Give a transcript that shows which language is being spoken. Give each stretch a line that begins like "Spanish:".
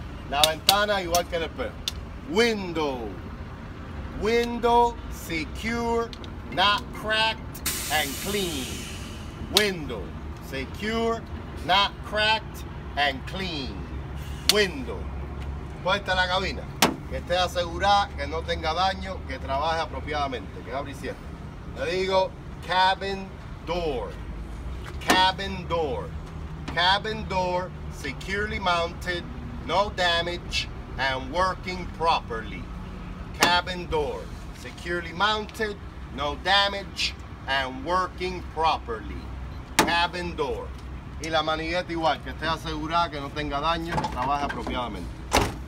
Spanish: La ventana igual que el espejo.
English: Window. Window secure, not cracked, and clean. Window. Secure, not cracked, and clean. Window.
Spanish: Puerta la cabina. Que esté asegurada, que no tenga daño, que trabaje apropiadamente, que abre y cierre. Le digo
English: cabin door. Cabin door. Cabin door securely mounted, no damage, and working properly. Cabin door securely mounted, no damage, and working properly. Cabin door.
Spanish: Y la manigueta igual, que esté asegurada que no tenga daño, trabaje apropiadamente.